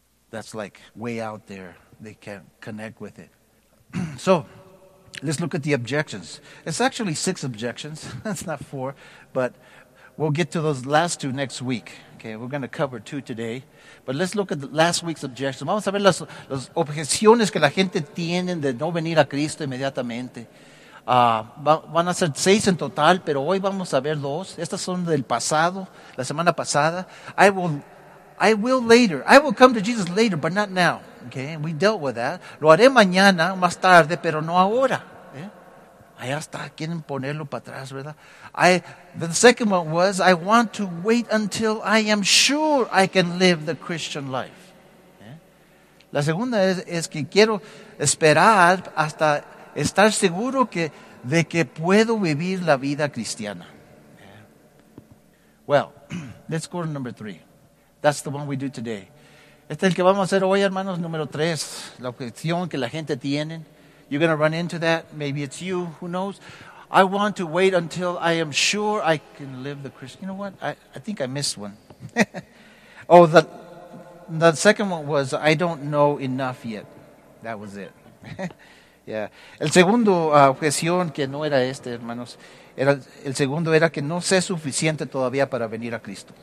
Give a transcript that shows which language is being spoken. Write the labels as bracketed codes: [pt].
[en] That's like way out there. They can't connect with it. So, let's look at the objections. It's actually 6 objections. It's not 4, but we'll get to those last 2 next week. Okay, we're going to cover 2 today. But let's look at the last week's objections. [es] Vamos a ver las objeciones que la gente tiene de no venir a Cristo inmediatamente. Van a ser 6 en total, pero hoy vamos a ver 2. Estas son del pasado, la semana pasada. [en] I will later. I will come to Jesus later, but not now. Okay, we dealt with that. [es] Lo haré mañana, más tarde, pero no ahora. Allá está, quieren ponerlo para atrás, ¿verdad? [en] The second one was, I want to wait until I am sure I can live the Christian life. [es] La segunda es que quiero esperar hasta estar seguro de que puedo vivir la vida cristiana. [en] Yeah. Well, let's go to number 3. That's the one we do today. [es] Este es el que vamos a hacer hoy, hermanos, número 3. La objeción que la gente tiene. [en] You're going to run into that. Maybe it's you. Who knows? I want to wait until I am sure I can live the Christian. You know what? I think I missed one. Oh, the second one was, I don't know enough yet. That was it. Yeah. [es] El segundo objeción, que no era este, hermanos, era que no sé suficiente todavía para venir a Cristo.